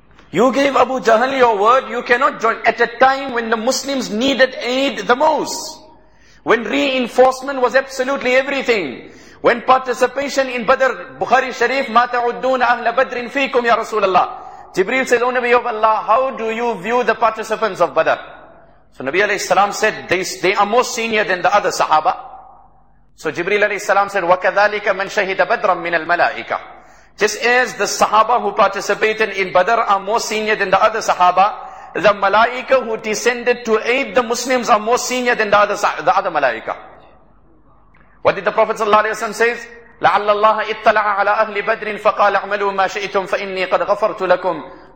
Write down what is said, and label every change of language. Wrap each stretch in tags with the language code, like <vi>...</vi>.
<en>You gave Abu Jahl your word, you cannot join. At a time when the Muslims needed aid the most, when reinforcement was absolutely everything, when participation in Badr, Bukhari Sharif,</en> <ar>مَا تَعُدُّونَ أَهْلَ بَدْرٍ فِيكُمْ يَا رَسُولَ اللَّهِ.</ar> <en>Jibreel said, O Nabi of Allah, how do you view the participants of Badr? So Nabi alayhi salam said, they are more senior than the other Sahaba. So Jibreel alayhi salam said,</en> <ar>وَكَذَلِكَ مَنْ شَهِدَ بَدْرًا مِنَ الْمَلَائِكَةِ.</ar> <en>Just as the Sahaba who participated in Badr are more senior than the other Sahaba, the Malaika who descended to aid the Muslims are more senior than the other Malaika. What did the Prophet sallallahu alayhi wa sallam say?</en> <ar>لَعَلَّ اللَّهَ اِطَّلَعَ عَلَىٰ أَهْلِ بَدْرٍ فَقَالَ اَعْمَلُوا مَا شَئِتُمْ فَإِنِّي قَدْ غَفَرْتُ لَكُمْ.</ar>